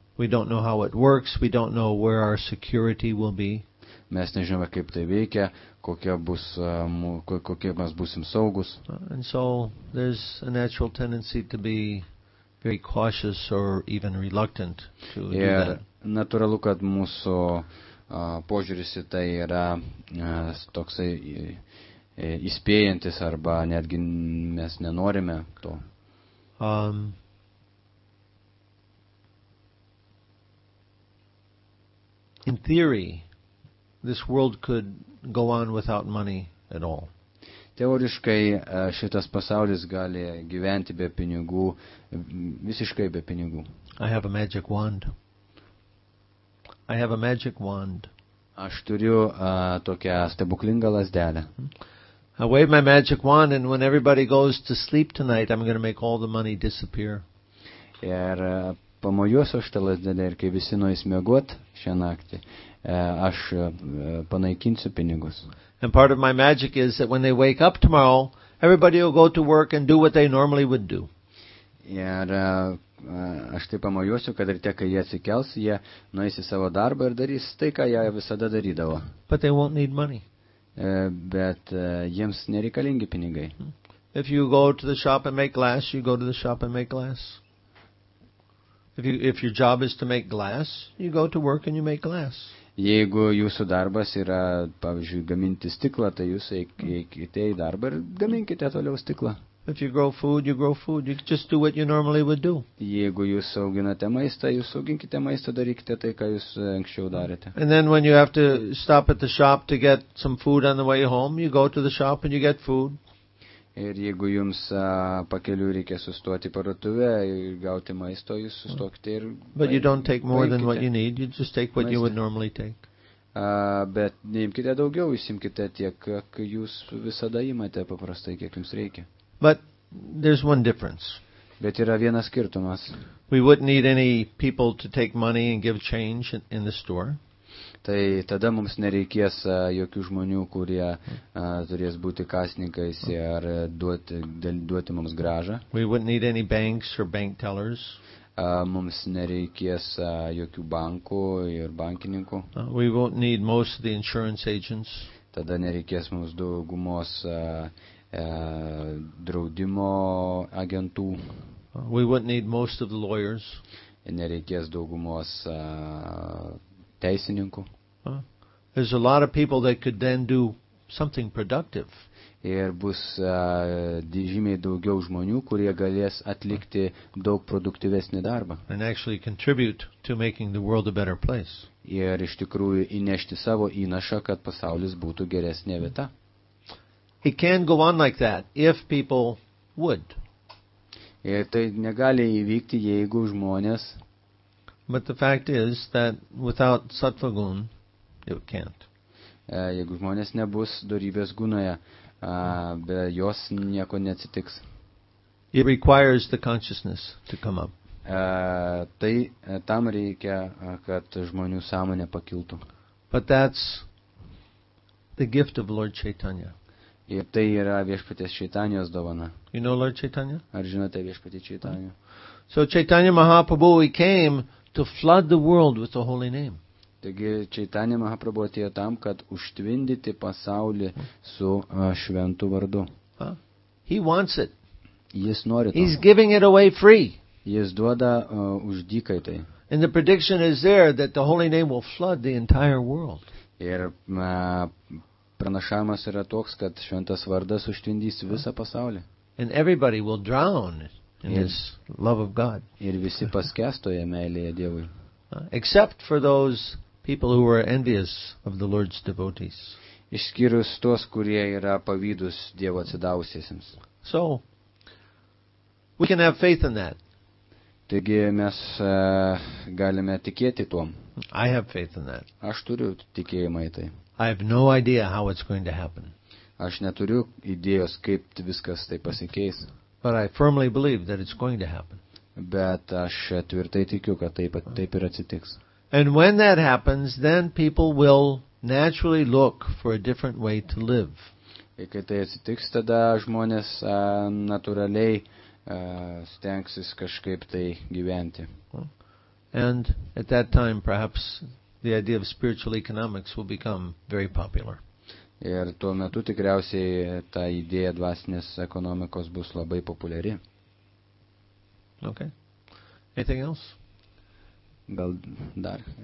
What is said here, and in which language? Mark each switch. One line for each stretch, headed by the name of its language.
English: We don't know how it works, we don't know where our security will be.
Lithuanian: Mes nežinome, kaip tai veikia, kokie mes būsim saugus.
English: And so there's a natural tendency to be very cautious or even reluctant to do that.
Lithuanian: Natūralu, kad mūsų požiūris į tai yra toksai įspėjantis arba netgi mes nenorime to.
English: In theory, this world could go on without money at all.
Lithuanian: Teoriškai šitas pasaulis gali gyventi be pinigų, visiškai be pinigų.
English: I have a magic wand.
Lithuanian: Aš turiu tokią stebuklingą lazdelę.
English: I wave my magic wand and when everybody goes to sleep tonight, I'm going to make all the money disappear.
Lithuanian: Ir pamojuosiu šitą lazdelę ir kai visi nueis miegot šią naktį, aš panaikinsiu pinigus.
English: And part of my magic is that when they wake up tomorrow, everybody will go to work and do what they normally would do.
Lithuanian: Ir aš tai pamojuosiu, kad ryte, kai jie atsikels, jie nueis į savo darbą ir darys tai, ką jie visada darydavo.
English: But they won't need money.
Lithuanian: Bet jiems nereikalingi pinigai.
English: If you go to the shop and make glass, you go to the shop and make glass. If your job is to make glass, you go to work and you make glass.
Lithuanian: Jeigu jūsų darbas yra, pavyzdžiui, gaminti stiklą, tai jūs eikite į darbą ir gaminkite toliau stiklą.
English: If you grow food, you grow food. You just do what you normally would do.
Lithuanian: Jeigu jūs auginate maistą, jūs auginkite maistą, darykite tai, ką jūs anksčiau darėte.
English: And then when you have to stop at the shop to get some food on the way home, you go to the shop and you get food.
Lithuanian: Ir jeigu jums pakeliu reikia sustoti parduotuvę ir gauti maisto, jūs sustokite ir
English: But you don't take more than what you need. You just take what you would normally take.
Lithuanian: Bet neimkite daugiau, jūs imkite tiek, kiek jūs visada imate paprastai, kiek jums reikia.
English: But there's one difference.
Lithuanian: Bet yra vienas skirtumas.
English: We wouldn't need any people to take money and give change in the store.
Lithuanian: Tai tada mums nereikės jokių žmonių, kurie turės būti kasininkais ar duoti mums gražą.
English: We wouldn't need any banks or bank tellers.
Lithuanian: Mums nereikės jokių bankų ir bankininkų.
English: We won't need most of the insurance agents.
Lithuanian: Tada nereikės mums daugumos draudimo agentų.
English: We wouldn't need most of the lawyers.
Lithuanian: Nereikės daugumos teisininkų.
English: There's a lot of people that could then do something productive.
Lithuanian: Ir bus žymiai daugiau žmonių, kurie galės atlikti daug produktyvesnį darbą.
English: And actually contribute to making the world a better place.
Lithuanian: Ir iš tikrųjų įnešti savo įnašą, kad pasaulis būtų geresnė vieta.
English: It can go on like that if people would.
Lithuanian: Ir tai negali įvykti, jeigu žmonės.
English: But the fact is that without sattva-gun, it can't.
Lithuanian: Jeigu žmonės nebus dorybės gunoje, be jos nieko neatsitiks.
English: It requires the consciousness to come up.
Lithuanian: Tai tam reikia, kad žmonių sąmonė pakiltų.
English: But that's the gift of Lord Chaitanya.
Lithuanian: Ir tai yra viešpatės Čaitanijos dovana.
English: You know Lord Chaitanya?
Lithuanian: Ar žinote viešpatį Čaitanijų?
English: So Chaitanya Mahaprabhu, he came to flood the world with the holy name.
Lithuanian: Taigi Čaitanya Mahaprabhu atėjo tam, kad užtvindyti pasaulį su šventu vardu.
English: He wants it.
Lithuanian: Jis nori to.
English: He's giving it away free.
Lithuanian: Jis duoda už dykai tai.
English: And the prediction is there that the holy name will flood the entire world.
Lithuanian: Ir pranašavimas yra toks, kad šventas vardas užtvindys visą pasaulį.
English: And everybody will drown in his love of God.
Lithuanian: Ir visi paskestoje meilėje Dievui.
English: Except for those people who are envious of the Lord's devotees.
Lithuanian: Išskyrus tos, kurie yra pavydus Dievo atsidavusiesiems.
English: So, we can have faith in that.
Lithuanian: Taigi mes galime tikėti tuom.
English: I have faith in that.
Lithuanian: Aš turiu tikėjimą į tai.
English: I have no idea how it's going to happen.
Lithuanian: Aš neturiu idėjos, kaip viskas tai pasikeis.
English: But I firmly believe that it's going to happen.
Lithuanian: Bet aš tvirtai tikiu, kad taip ir atsitiks.
English: And when that happens, then people will naturally look for a different way to live.
Lithuanian: Ir kai tai atsitiks, tada žmonės natūraliai stengsis kažkaip tai gyventi.
English: And at that time, perhaps the idea of spiritual economics will become very popular.
Lithuanian: Ir tuo metu tikriausiai ta idėja dvasinės ekonomikos bus labai populiari.
English: Okay. Anything else?
Lithuanian: Gal dar.